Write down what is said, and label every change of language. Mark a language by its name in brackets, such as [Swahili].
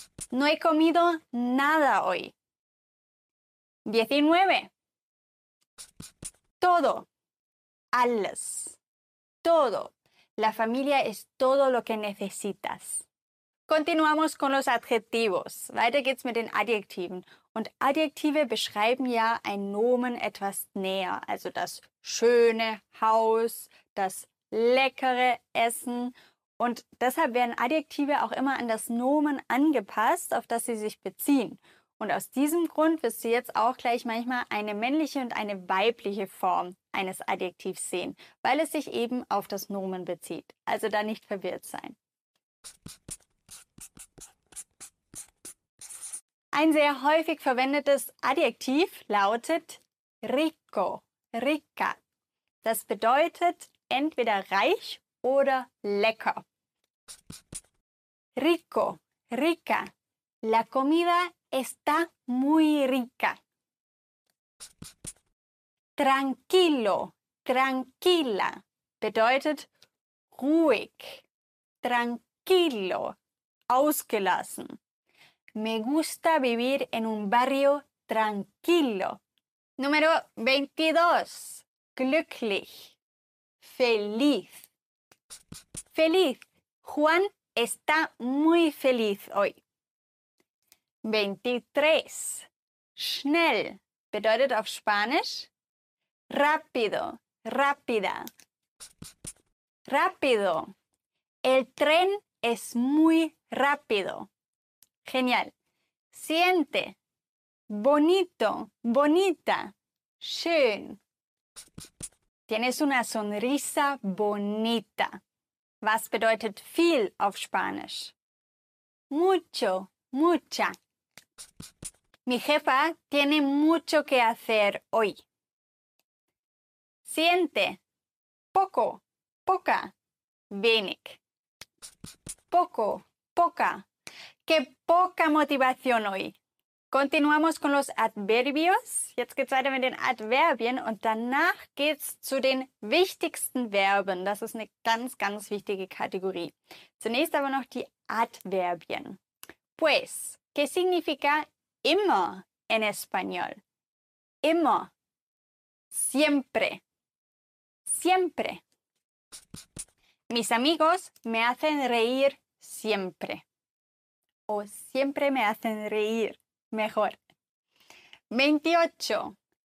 [Spanish] No he comido nada hoy. 19. Todo. [German] Alles. [Spanish] Todo. La familia es todo lo que necesitas. Continuamos con los adjetivos. [German] Weiter geht's mit den Adjektiven. Und Adjektive beschreiben ja ein Nomen etwas näher. Also das schöne Haus, das leckere Essen. Und deshalb werden Adjektive auch immer an das Nomen angepasst, auf das sie sich beziehen. Und aus diesem Grund wirst du jetzt auch gleich manchmal eine männliche und eine weibliche Form eines Adjektivs sehen, weil es sich eben auf das Nomen bezieht. Also da nicht verwirrt sein. Ein sehr häufig verwendetes Adjektiv lautet rico, rica. Das bedeutet entweder reich oder lecker. [Spanish] Rico, rica. La comida está muy rica. Tranquilo, tranquila. [German] Bedeutet ruhig, [Spanish] tranquilo, [German] ausgelassen. [Spanish] Me gusta vivir en un barrio tranquilo. Número 22. [German] Glücklich. [Spanish] Feliz. Feliz. Juan está muy feliz hoy. 23. [German] Schnell. Bedeutet auf Spanisch. [Spanish] Rápido. Rápida. Rápido. El tren es muy rápido. Genial. Siguiente. Bonito, bonita. [German] Schön. [Spanish] Tienes una sonrisa bonita. [German] Was bedeutet viel auf Spanisch? [Spanish] Mucho, mucha. Mi jefa tiene mucho que hacer hoy. Siguiente. Poco, poca. [German] Wenig. [Spanish] Poco, poca. ¡Qué poca motivación hoy! Continuamos con los adverbios. [German] Jetzt geht's weiter mit den Adverbien und danach geht's zu den wichtigsten Verben. Das ist eine ganz, ganz wichtige Kategorie. Zunächst aber noch die Adverbien. [Spanish] Pues, ¿qué significa immer en español? Immer. Siempre. Siempre. Mis amigos me hacen reír siempre. O siempre me hacen reír. Mejor. 28.